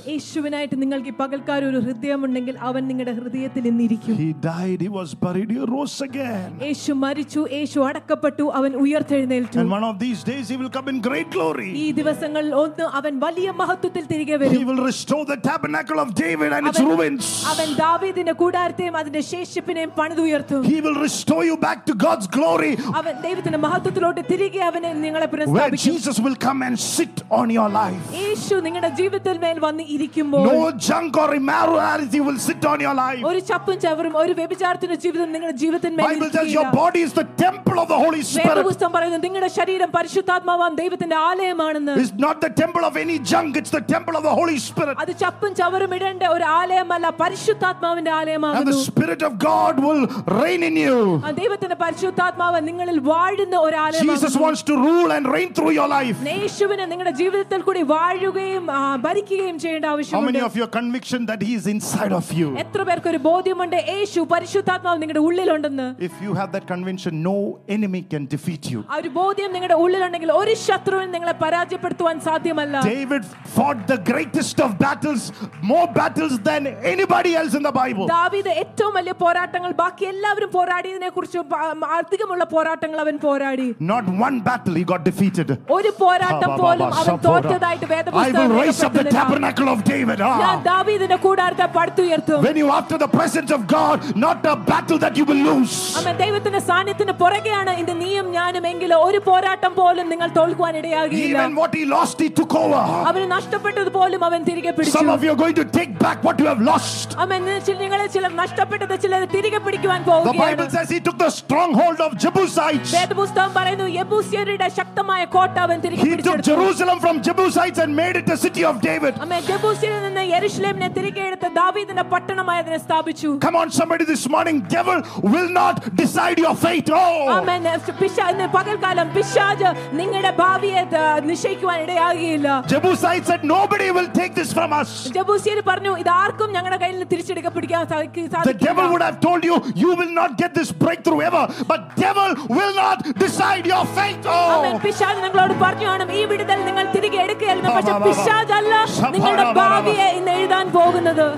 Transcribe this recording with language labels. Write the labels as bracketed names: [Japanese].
[Malayalam] യേശുവിനായിട്ട് നിങ്ങൾക്ക് പകൽക്കാർ ഒരു ഹൃദയം ഉണ്ടെങ്കിൽ അവൻ നിങ്ങളുടെ ഹൃദയത്തിൽ നിന്നിരിക്കും. [English] He died, he was buried, he rose again. [Malayalam] യേശു മരിച്ചു, യേശു അടക്കപ്പെട്ടു, അവൻ ഉയർത്തെഴുന്നേറ്റു. [English] And one of these days he will come in great glory. [Malayalam] ഈ ദിവസങ്ങളിൽ ഒന്ന് അവൻ വലിയ മഹത്വത്തിൽ തിരികെ വരും. [English] He will restore the tabernacle of David and its ruins. [Malayalam] അവൻ ദാവീദിന്റെ കൂടാരത്തെയും അതിന്റെ ശേഷിപ്പിനെയും പണിതുയർത്തും. [English] He will restore you back to God's glory. [Malayalam] അവൻ ദൈവത്തിന്റെ മഹത്വത്തിലോട്ട് തിരികെ അവനെ നിങ്ങളെ പുനഃസ്ഥാപിക്കും. [English] Jesus will come and sit on your life. [Malayalam] യേശു നിങ്ങളുടെ ജീവിതത്തിൽ മേൽ വന്ന് ഇരിക്കുമ്പോൾ [English] no junk or immorality will sit on your life. [Malayalam] ഒരു ചപ്പും ചവറും ഒരു വ്യഭിചാരത്തിന്റെ ജീവിതം നിങ്ങളുടെ ജീവിതത്തിന്മേൽ ഇരിക്കില്ല. [English] Bible says your body is the temple of the Holy Spirit. [Malayalam] വേദപുസ്തകം പറയുന്നു നിങ്ങളുടെ ശരീരം പരിശുദ്ധാത്മാവാണ് ദൈവത്തിന്റെ ആലയമാണെന്ന്. [English] It's not the temple of any junk, it's the temple of the Holy Spirit. [Malayalam] അത് ചപ്പും ചവറും ഇടേണ്ട ഒരു ആലയമല്ല, പരിശുദ്ധാത്മാവിന്റെ ആലയമാണ്. [English] And the Spirit of God will reign in you. [Malayalam] ദൈവത്തിന്റെ പരിശുദ്ധാത്മാവ് നിങ്ങളിൽ വാഴുന്ന ഒരു ആലയമാണ്. [English] Jesus wants to rule and reign through your life. [Malayalam] യേശുവിനെ നിങ്ങളുടെ ജീവിതത്തിൽ കൂടി വാഴുകയും ഭരിക്കുകയും ചെയ്യേണ്ട ആവശ്യമുണ്ട്. [English] How many of your conviction that he is inside of you? [Malayalam] എത്ര പേർക്ക് ഒരു ബോധ്യമുണ്ട് യേശു പരിശുദ്ധാത്മാവ് നിങ്ങളുടെ ഉള്ളിലുണ്ടെന്ന്? [English] If you have that conviction, no enemy can defeat you. [Malayalam] ആ ഒരു ബോധ്യം നിങ്ങളുടെ ഉള്ളിലുണ്ടെങ്കിൽ ഒരു ശത്രുവിനെ നിങ്ങളെ പരാജയപ്പെടുത്താൻ സാധ്യമല്ല. [English] David fought the greatest of battles, more battles than anybody else in the Bible. [Malayalam] ദാവീദ് ഏറ്റവും വലിയ പോരാട്ടങ്ങൾ ബാക്കി എല്ലാവരും പോരാടിയതിനെക്കുറിച്ച് അധികമുള്ള പോരാട്ടങ്ങൾ അവൻ പോരാടി. [English] Not one battle he got defeated. [Malayalam] ഒരു പോരാട്ടം പോലും അവൻ തോറ്റതായിട്ട് വേദപുസ്തകം. [English] I will raise up the tabernacle of David. [Malayalam] ഞാൻ ദാവീദിന്റെ കൂടാരത്തെ പടുത്തുയർത്തും. [English] When you after the presence of God, not a battle that you will lose. [Malayalam] അമേൻ. ദൈവത്തിന്റെ സാന്നിധ്യത്തിന് പുറകെയാണ് ഇന്ന് നീയും ഞാനും എങ്കിലും ഒരു പോരാട്ടം പോലും നിങ്ങൾ തോൽക്കുവാൻ ഇടയാകില്ല. [English] Even what he lost he took over. [Malayalam] അവൻ നഷ്ടപ്പെട്ടത് പോലും അവൻ തിരികെ പിടിച്ചു. [English] Some of you are going to take back what you have lost. [Malayalam] അമേൻ. നിങ്ങളെ ചിലർ നഷ്ടപ്പെട്ടത് ചിലർ തിരികെ പിടിക്കുവാൻ പോവുകയാണ്. [English] The Bible says he took the stronghold of Jebusites. [Malayalam] വേദപുസ്തകം പറയുന്നു യെബൂസ്യരുടെ ശക്തമായ കോട്ട അവൻ തിരികെ പിടിച്ചു. [English] He took Jerusalem from Jebusites and made it a city of David. [Malayalam] അമേൻ. ജെബൂസിയിൽ നിന്ന് യെരുശലേമിനെ തിരികെ എടുത്ത് ദാവീദിന്റെ പട്ടണമായി അതിനെ സ്ഥാപിച്ചു. [English] Come on, somebody, this morning, devil will not decide your fate. Oh, [Malayalam] അമേൻ. പിശാചിനെ പകൽക്കാലം പിശാച് നിങ്ങളുടെ ഭാവിയെ നിശ്ചയിക്കാൻ ഇടയാകില്ല. [English] Jebusites said nobody will take this from us. [Malayalam] ജെബൂസിയിൽ പറഞ്ഞു ഇത് ആർക്കും ഞങ്ങളുടെ കയ്യിൽ നിന്ന് തിരിച്ചെടുക്കപ്പെടാൻ സാധിക്കില്ല. [English] The devil would have told you you will not get this breakthrough ever, but devil will not decide your fate. Oh, [Malayalam] അമേൻ. പിശാച് നിങ്ങളോട് പറഞ്ഞു ആണ് ഈ വിടുതൽ നിങ്ങൾ തിരികെ എടുക്കയല്ല, പക്ഷെ പിശാച് അല്ല നിങ്ങളുടെ ഭാവിയെ ഇന്ന് എഴുതാൻ പോകുന്നത്.